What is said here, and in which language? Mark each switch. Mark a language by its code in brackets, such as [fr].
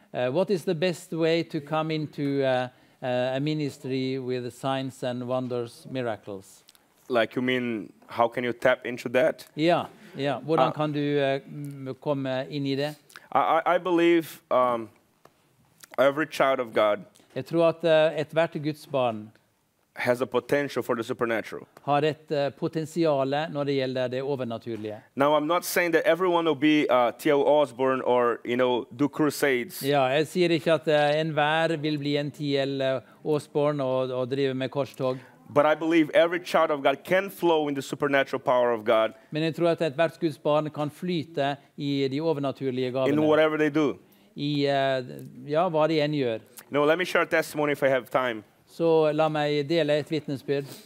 [en] What is the best way to come into a ministry with signs and wonders, miracles? Like you mean, how can you tap into that? Yeah, yeah. [no] Hvordan kan du komme inn i det? [en] I believe every child of God. [no] Jeg tror at ethvert Guds barn [en] has a potential for the supernatural. [no] Har et potensial når det gjelder det overnaturlige. [en] Now I'm not saying that everyone will be T.O. Osborne or you know do crusades. [no] Ja, jeg sier ikke at enhver vil bli en T.L. Osborne og drive med korstog. [en] But I believe every child of God can flow in the supernatural power of God. [no] Men jeg tror at ethvert Guds barn kan flyte i de overnaturlige gavene. [en] In whatever they do. [no] I hva de enn gjør. [en] No, let me share a testimony if I have time. [no] Så la meg dele et vitnesbyrd.